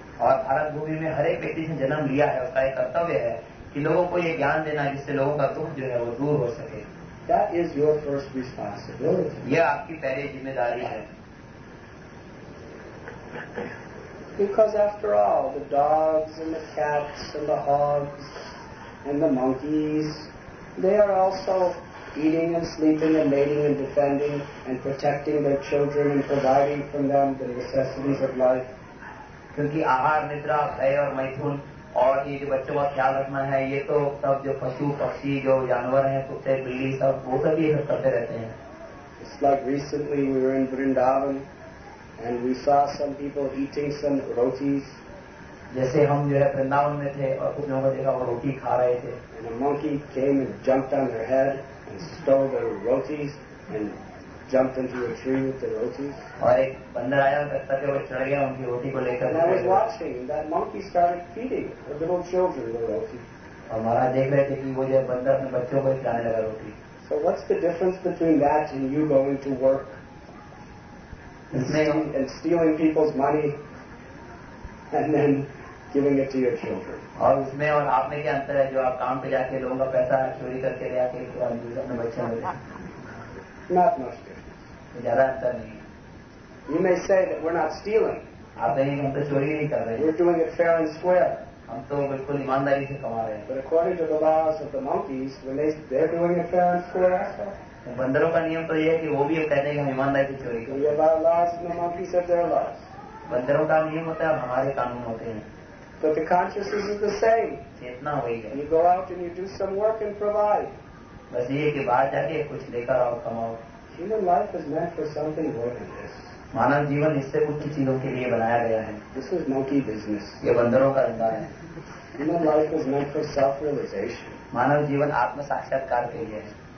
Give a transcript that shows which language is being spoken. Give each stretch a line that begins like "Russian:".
Hindi: और भारत भूमि में हर एक व्यक्ति ने जन्म लिया है उसका एक कर्तव्य है कि लोगों को ये ज्ञान देना जिससे लोगों का दुख जो है वो दूर हो सके।
English: That is your first responsibility.
Hindi: यह आपकी पहली जिम्मेदारी है।
English: Because after all, the dogs and the cats and the hogs and the monkeys, they are also eating and sleeping and mating and defending and protecting their children and providing for them the necessities of life.
Hindi: क्योंकि आहार निद्रा भय और मैथुन और ये जो बच्चों का ख्याल रखना है ये तो सब जो पशु पक्षी जो जानवर हैं कुत्ते बिल्ली सब वो सब ये सब करते रहते हैं.
English: It's like recently we were in Vrindavan and we saw some people eating some rotis.
Hindi: जैसे हम जो है वृंदावन में थे और कुछ लोगों को देखा वो रोटी खा रहे थे.
English: And a monkey came and jumped on their head and stole their rotis and jumped into a tree with the rotis.
Hindi: और एक बंदर आया रास्ते पे वो चढ़ गया उनकी रोटी को लेकर.
English: And I was watching that monkey started feeding the little children the roti.
Hindi: और महाराज देख रहे थे कि वो जो बंदर अपने बच्चों को खिलाने लगा रोटी.
English: So what's the difference between that and you going to work and stealing people's money and then giving it to your children?
Hindi: और उसमें और आपने क्या अंतर है जो आप काम पे जाके लोगों का पैसा चोरी करके ले आके तो आप अपने बच्चों को दे.
English: Not much difference.
Hindi: ज्यादा अंतर नहीं.
English: You may say that we're not stealing.
Hindi: आप कहेंगे हम तो चोरी नहीं कर रहे.
English: We're doing it fair and square.
Hindi: हम तो बिल्कुल ईमानदारी से कमा रहे हैं.
English: But according to the laws of the monkeys, when they're doing it fair and square.
Hindi: बंदरों का नियम तो यह है कि वो भी ये कहते हैं कि हम ईमानदारी से चोरी कर. बंदरों का नियम होता है हमारे कानून होते हैं.
English: But the consciousness is the same.
Hindi: इतना हो ही गया.
English: You go out and you do some work and provide.
Hindi: बस ये कि बाहर जाके कुछ लेकर आओ कमाओ.
English: Human life is meant for something more than this.
Hindi: मानव जीवन इससे कुछ चीजों के लिए बनाया गया है.
English: This is monkey business.
Hindi: ये बंदरों का धंधा है.
English: Human life is meant for self-realization.
Hindi: मानव जीवन आत्म साक्षात्कार के लिए है.